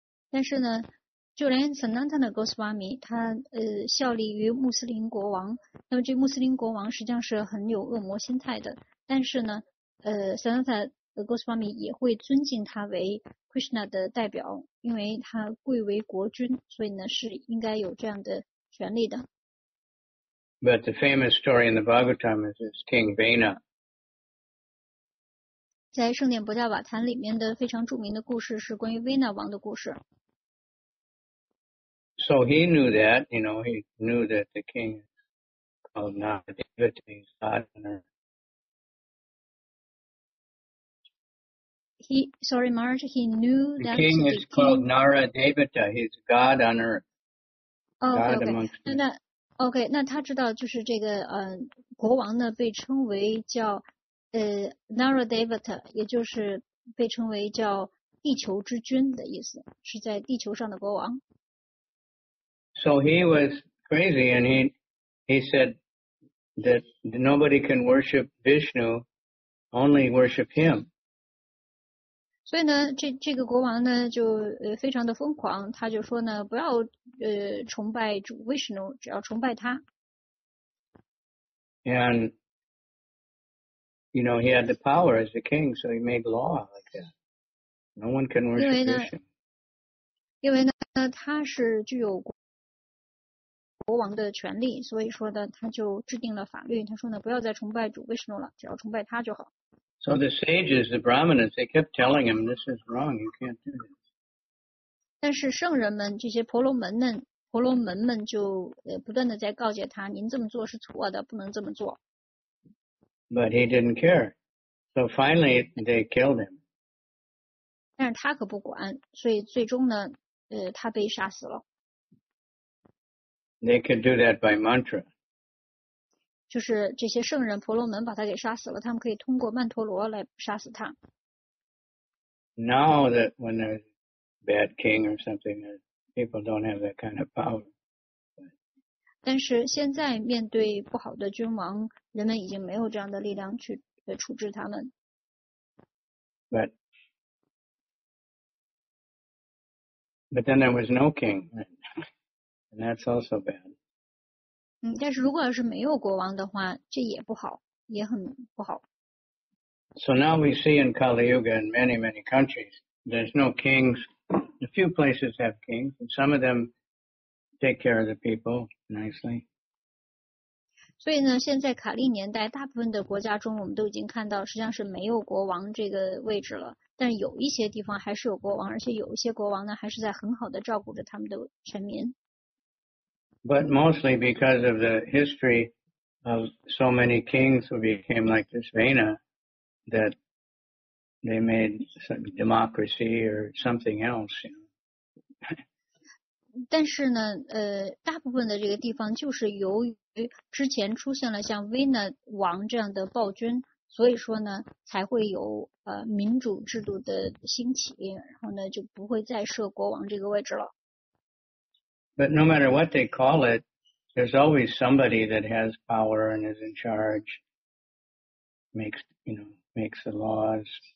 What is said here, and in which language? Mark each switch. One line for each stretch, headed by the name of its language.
Chinese: 但是呢，就连 Sanatana Goswami, 他效力于穆斯林国王，那么这穆斯林国王实际上是很有恶魔心态的，但是呢，Sanatana Goswami 也会尊敬他为Krishna 的代表，因为他贵为国君，所以呢是应该有这样的权利的。
English: But the famous story in the Bhagavatam is this King Vena.
Chinese: 在圣殿博迦瓦坛里面的非常著名的故事是关于 Vena 王的故事。
English: So he knew that, you know, he knew that the king is called Nagadevata, he's God on earth. He knew that the king is called Nara Devata. He's God on earth. Oh, okay. Okay.
Chinese: 那他知道就是这个国王呢被称为叫Nara Devata, 也就是被称为叫地球之君的意思，是在地球上的国王。
English: So he was crazy, and he said that nobody can worship Vishnu, only worship him.
Chinese: 所以呢，这个国王呢，就非常的疯狂，他就说呢，不要崇拜主 Vishnu， 只要崇拜他。
English: And you know he had the power as the king, so he made law like that. No one can worship Vishnu.
Chinese: 因为呢，他是具有国王的权力，所以说呢，他就制定了法律。他说呢，不要再崇拜主 Vishnu 了，只要崇拜他就好。
English: So the sages, the brahmanas, they kept telling him, "This is wrong. You can't do this."
Chinese: 但是圣人们这些婆罗门们就不断的在告诫他，您这么做是错的，不能这么做。
English: But he didn't care. So finally, they killed him.
Chinese: 但是他可不管，所以最终呢，他被杀死了。
English: They could do that by mantra.
Chinese: 就是这些圣人婆罗门把他给杀死了，他们可以通过曼陀罗来杀死他。
English: Now that when there's a bad king or something, people don't have that kind of power.
Chinese: 但是现在面对不好的君王，人们已经没有这样的力量去处置他们。
English: But then there was no king, and that's also bad.
Chinese: 但是如果要是没有国王的话，这也不好，也很不好。
English: So now we see in Kali Yuga in many, many countries, there's no kings. A few places have kings, and some of them take care of the people nicely.
Chinese: 所以呢，现在卡利年代，大部分的国家中，我们都已经看到，实际上是没有国王这个位置了。但是有一些地方还是有国王，而且有一些国王呢，还是在很好的照顾着他们的臣民。
English: But mostly because of the history of so many kings who became like this Vena, that they made some democracy or something else. You know.
Chinese: 但是呢，大部分的这个地方就是由于之前出现了像 Vena 王这样的暴君，所以说呢，才会有民主制度的兴起，然后呢，就不会再设国王这个位置了。
English: But no matter what they call it, there's always somebody that has power and is in charge, makes the laws.